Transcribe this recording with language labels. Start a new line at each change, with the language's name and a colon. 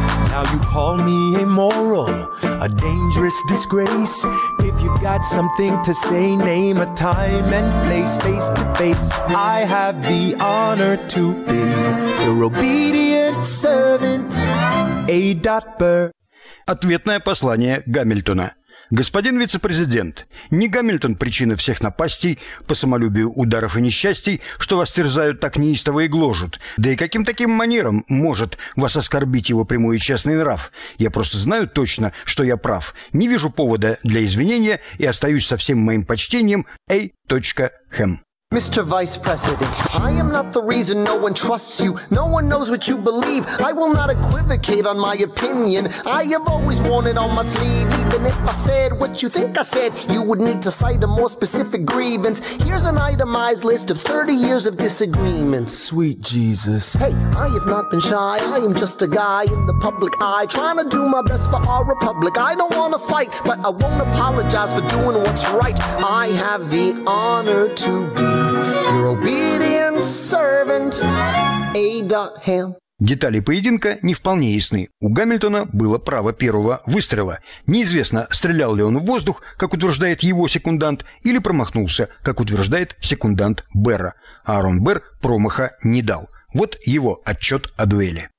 English: Now you call me immoral, a dangerous disgrace. If you've got something to say, name a time and place. Face to face, I have the honor to be your obedient servant. A.Berr.
Russian: Ответное послание Гамильтона. Господин вице-президент, не Гамильтон причина всех напастей, по самолюбию ударов и несчастий, что вас терзают так неистово и гложут. Да и каким таким манером может вас оскорбить его прямой и честный нрав? Я просто знаю точно, что я прав. Не вижу повода для извинения и остаюсь со всем моим почтением. A.Хэм.
English: Mr. Vice President, I am not the reason no one trusts you. No one knows what you believe. I will not equivocate on my opinion. I have always worn it on my sleeve. Even if I said what you think I said, you would need to cite a more specific grievance. Here's an itemized list of 30 years of disagreements. Sweet Jesus. Hey, I have not been shy. I am just a guy in the public eye trying to do my best for our republic. I don't want to fight, but I won't apologize for doing what's right. I have the honor to be your obedient servant, A. Ham.
Russian: Детали поединка не вполне ясны. У Гамильтона было право первого выстрела. Неизвестно, стрелял ли он в воздух, как утверждает его секундант, или промахнулся, как утверждает секундант Берра. Аарон Берр промаха не дал. Вот его отчет о дуэли.